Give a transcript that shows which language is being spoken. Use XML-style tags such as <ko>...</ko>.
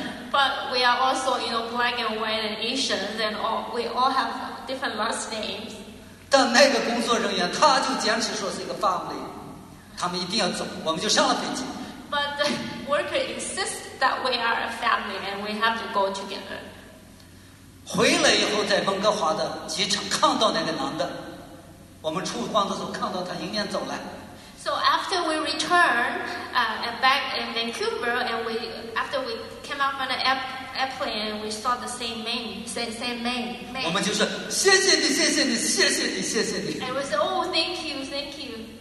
<en>But we are also, you know, black and white and Asian, and we all have different last names.</en> <zh>但那个工作人员他就坚持说是一个 family， 他们一定要走，我们就上了飞机。</zh> <en>But the worker insists that we are a family and we have to go together.</en> <zh>回来以后，在温哥华的机场看到那个男的，我们出关的时候看到他迎面走来。</zh> <en>So after we return back in Vancouver, and after we came out from the airplane, and we saw the same man.</en> <zh>我们就说谢谢你。</zh> <en>And we said, oh, thank you.</en>